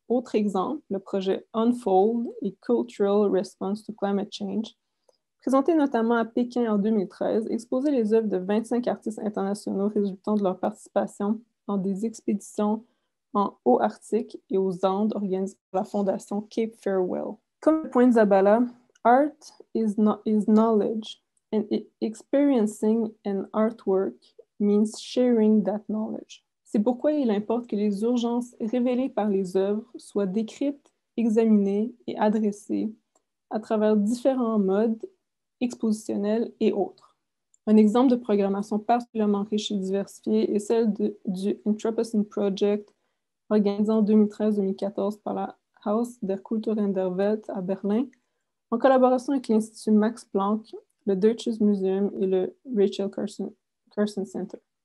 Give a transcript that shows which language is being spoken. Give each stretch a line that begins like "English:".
French: Autre exemple, le projet Unfold et Cultural Response to Climate Change, présenté notamment à Pékin en 2013, exposait les œuvres de 25 artistes internationaux résultant de leur participation dans des expéditions en Haut-Arctique et aux Andes organisées par la fondation Cape Farewell. Comme le pointe Zabala,
English: art is knowledge, and experiencing an artwork means sharing that knowledge.
French: C'est pourquoi il importe que les urgences révélées par les œuvres soient décrites, examinées et adressées à travers différents modes expositionnels et autres. Un exemple de programmation particulièrement riche et diversifiée est celle du Anthropocene Project, organisé en 2013-2014 par la Haus der Kultur in der Welt à Berlin, en collaboration avec l'Institut Max Planck, le Deutsches Museum et le Rachel Carson Center.